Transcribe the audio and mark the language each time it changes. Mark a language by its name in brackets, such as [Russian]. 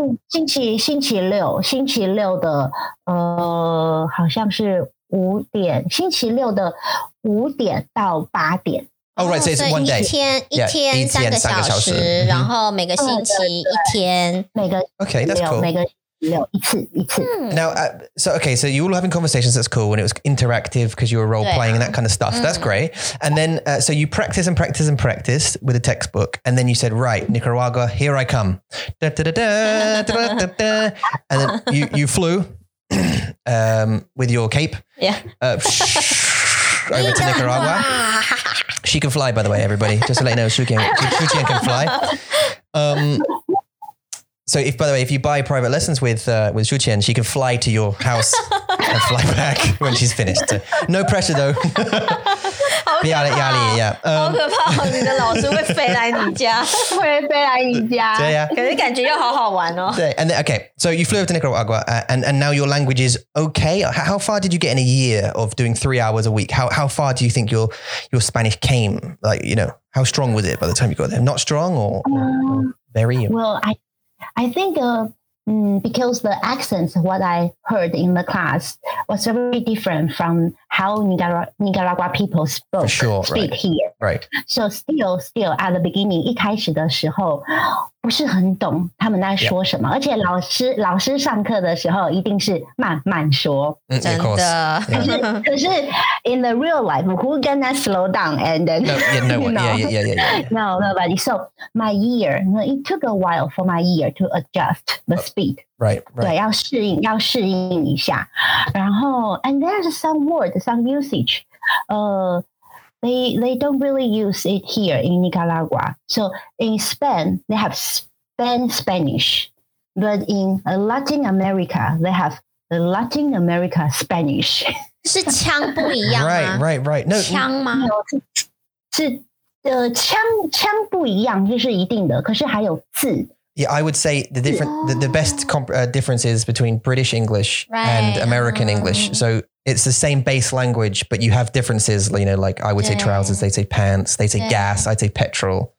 [Chinese] 星期六的好像是五点到八点。 [English] Oh, right, so it's one day. [Chinese] 一天三个小时,然后每个星期一天。 [English] Okay, that's cool. [Chinese] 每个星期一次。 [English] Now, so you all having conversations, that's cool, and it was interactive because you were role-playing and that kind of stuff. Mm. That's great. And then, so you practice with a textbook, and then you said, right, Nicaragua, here I come. Da-da-da-da-da-da-da-da. And then you flew with your cape. Yeah. Over to Nicaragua. She can fly, by the way, everybody. Just to let you know, Shukian can fly. So, by the way, if you buy private lessons with Shukian, she can fly to your house and fly back when she's finished. No pressure, though. [Chinese] 好可怕，你的老师会飞来你家。 [English] And then, okay, so you flew over to Nicaragua and now your language is okay. How far did you get in a year of doing 3 hours a week? How far do you think your Spanish came? Like, you know, how strong was it by the time you got there? Not strong or very? Well, I think because the accents, what I heard in the class was very different from how Nicaragua people spoke, here. Right. [Chinese] So still at the beginning, 一开始的时候不是很懂他们在说什么。而且老师上课的时候一定是慢慢说。真的。可是 [English] in the real life, who gonna slow down and then... No, nobody. So my year, it took a while for my year to adjust the speed. [Chinese] Right, 要适应一下。然后, [English] and there's some words, some usage. They don't really use it here in Nicaragua. So in Spain, they have Spanish. But in Latin America, they have Latin America Spanish. [Chinese] 是枪不一样吗? [English] Right. [Chinese] No, 枪吗? No, 枪不一样就是一定的,可是还有字。 [English] Yeah, I would say the best difference is between British English and American English. So it's the same base language, but you have differences, you know, like I would say trousers, they say pants, they say gas, I'd say petrol.